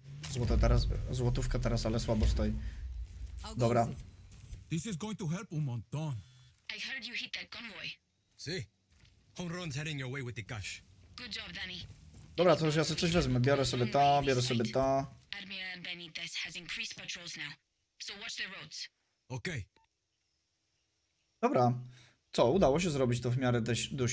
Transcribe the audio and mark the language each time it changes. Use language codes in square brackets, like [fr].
[pl] Złoto teraz, złotówka teraz, ale słabo stoi. [en] Dobra. This is going to help [es] un montón. [en] I heard you hit that convoy. Si. Homeron's heading your way with the cash. Good job, Danny. [pl] Dobra, to już ja sobie coś wezmę. Biorę sobie to, biorę sobie to. [en] Admiral and Benitez has increased patrols now. So watch the roads. Okay. Dobra. [pl] Co, udało się zrobić to w miarę dość.